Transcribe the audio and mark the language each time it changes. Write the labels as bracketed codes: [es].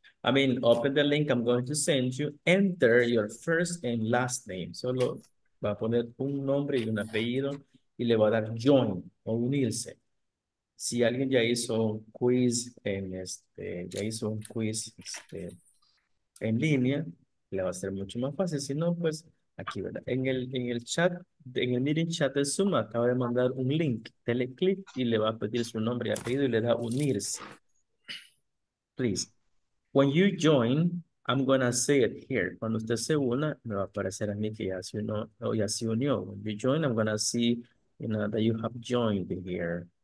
[en] Open the link I'm going to send you. Enter your first and last name. [es] Solo va a poner un nombre y un apellido y le va a dar join o unirse. Si alguien ya hizo un quiz en línea, le va a ser mucho más fácil. Si no, pues aquí, ¿verdad? En el meeting chat de Zoom acaba de mandar un link. Dele clic y le va a pedir su nombre y apellido y le da unirse. [en] Please. When you join, I'm going to say it here. [es] Cuando usted se una, me va a aparecer a mí que ya se unió. [en] When you join, I'm going to see, you know, that you have joined here.